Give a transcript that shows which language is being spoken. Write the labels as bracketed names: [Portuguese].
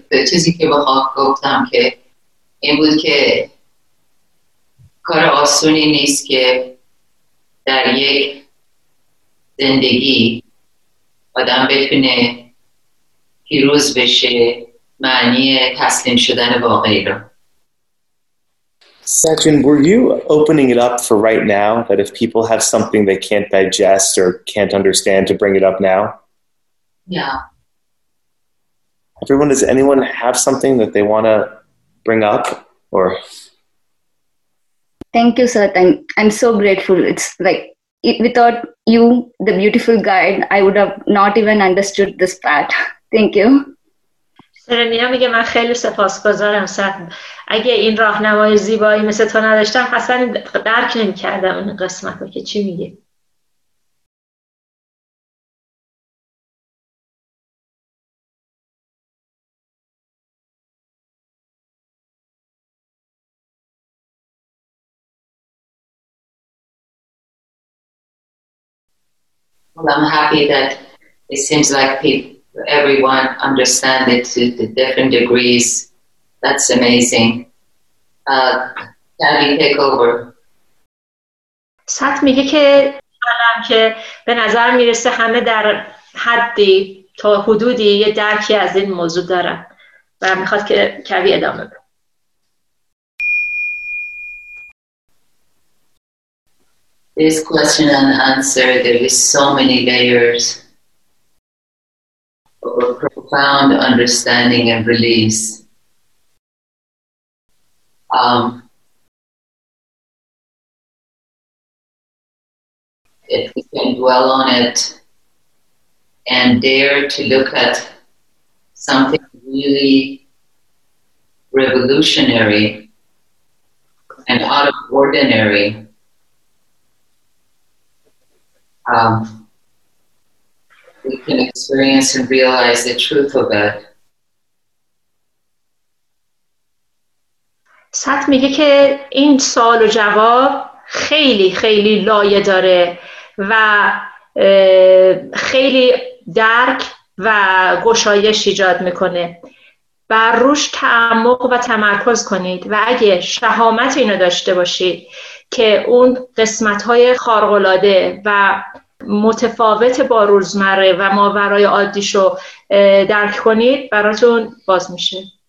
[Persian] چیزی که بخواب گفتم که این بود که کار آسونی نیست که در یک زندگی آدم بتونه پیروز بشه معنی تسلیم شدن واقعی رو. [English] Sachin, were you opening it up for right now, that if people have something they can't digest or can't understand, to bring it up now? Yeah. Everyone, does anyone have something that they want to bring up? Or? Thank you, Sat. I'm so grateful. It's like, without you, the beautiful guide, I would have not even understood this path. Thank you. [Persian] سرنیا میگه من خیلی سپاسگزارم سرنیا. اگه این راهنمای زیبایی مثل تو نداشتم اصلا درک نمی‌کردم این قسمت رو که چی میگه. [English] Well, I'm happy that it seems like people, everyone understand it to the different degrees. That's amazing. Gabby, take over. [Persian] Sat میگه که حالم که به نظر میرسه همه در حدی تا حدودی یه درکی از این موضوع دارن و میخواد که کبی ادامه بده. [English] This question and answer, there is so many layers of a profound understanding and release. If we can dwell on it and dare to look at something really revolutionary and out of ordinary, we can experience and realize the truth of it. [Persian] سات میگه که این سوال و جواب خیلی خیلی لایه داره و خیلی درک و گشایش ایجاد میکنه. بر روش تعمق و تمرکز کنید و اگه شهامت اینو داشته باشید که اون قسمت‌های خارق‌العاده و متفاوت با روزمره و ماورای عادیشو درک کنید براتون باز میشه.